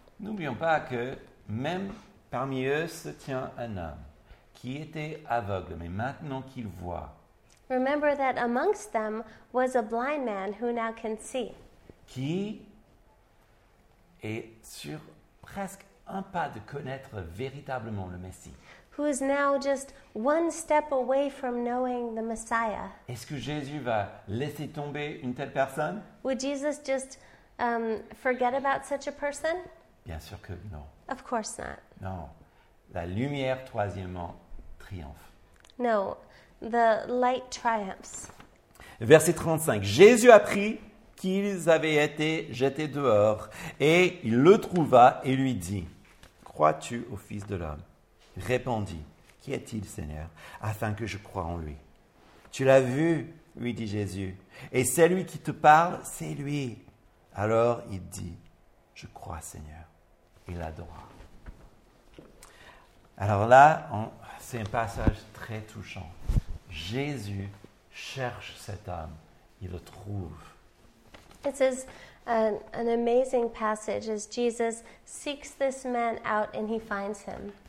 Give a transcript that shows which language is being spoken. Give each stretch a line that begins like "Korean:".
French: N'oublions pas que même parmi eux se tient un homme qui était aveugle, mais maintenant qu'il voit.
English: Remember that amongst them was a blind man who now can see.
French: Qui est sur presque un pas de connaître véritablement le Messie.
English: Who is now just one step away from knowing the Messiah.
French: Est-ce que Jésus va laisser tomber une telle personne?
English: Would Jesus just forget about such a person?
French: Bien sûr que non.
English: Of course not.
French: Non. La lumière, troisièmement, triomphe.
English: No. The light triumphs.
French: Verset 35. Jésus apprit qu'ils avaient été jetés dehors et il le trouva et lui dit, « Crois-tu au Fils de l'homme ?» Répondit, « Qui est-il, Seigneur, afin que je croie en lui ?»« Tu l'as vu, lui dit Jésus, et celui qui te parle, c'est lui. » Alors il dit, « Je crois, Seigneur, et l'adora. » Alors là, c'est un passage très touchant. Jésus cherche cet homme. Il le trouve.
English: This is an amazing passage as Jesus seeks this man out and he finds him.